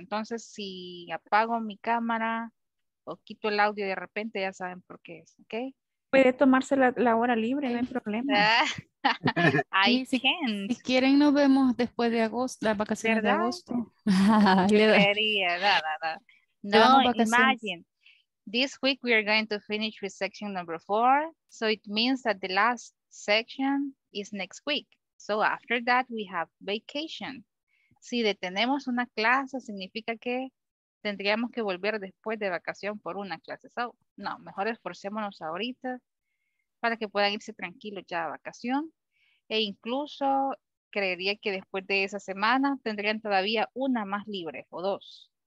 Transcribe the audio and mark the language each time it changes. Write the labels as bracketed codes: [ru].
[es] Entonces, si apago mi cámara o quito el audio de repente, ya saben por qué es, ¿ok? Puede tomarse la hora libre, no hay problema. Ahí sí, si quieren, nos vemos después de agosto, las vacaciones, ¿verdad? De agosto. Quería, no, imagínate. [en] This week we are going to finish with section number 4, so it means that the last section is next week. So after that we have vacation. [es] Si detenemos una clase significa que tendríamos que volver después de vacación por una clase. So no, mejor esforcémonos ahorita para que puedan irse tranquilos ya a vacación. E incluso creería que después de esa semana tendrían todavía una más libre o dos.